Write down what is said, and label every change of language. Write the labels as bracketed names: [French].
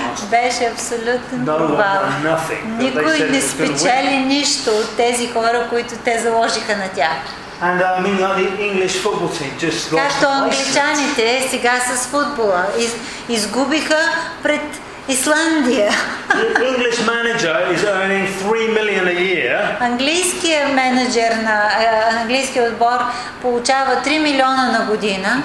[Bulgarian] Беше абсолютен провал. Никой не спечели нищо от тези хора, които те заложиха на тях. [English] And I mean, like the English football team just lost. [Bulgarian] Както англичаните сега с футбола изгубиха пред Исландия. [English] The English manager is earning 3 million a year. [Bulgarian] Английският менеджер на английския отбор получава 3 милиона на година.